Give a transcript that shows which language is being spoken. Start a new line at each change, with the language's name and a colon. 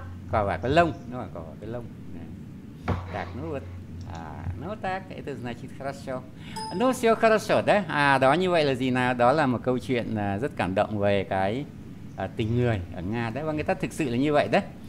Vietnamese: Quả vải có lông, đúng không? Quả vải có lông.
Russian: Так, ну вот. А, ну так, это значит хорошо. Ну всё хорошо, да?
Vietnamese: А, đó như vậy là gì nào? Đó là một câu chuyện rất cảm động về cái tình người ở Nga đấy. Và người ta thực sự là như vậy đấy.